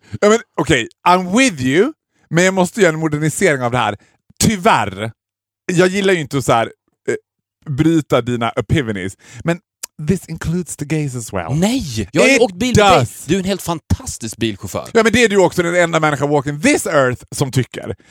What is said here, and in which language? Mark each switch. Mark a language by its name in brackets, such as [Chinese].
[English] I mean, [Swedish] okej, [English] okay. I'm with you, [Swedish] men jag måste göra en modernisering av det här. Tyvärr, jag gillar ju inte att så här, bryta dina epiphanies. Men [English] this includes the gays as well. [Swedish] Nej, jag har ju åkt bil med dig. Du är en helt fantastisk bilchaufför. Ja, men det är du också, den enda människa [English] walking this earth [Swedish] som tycker.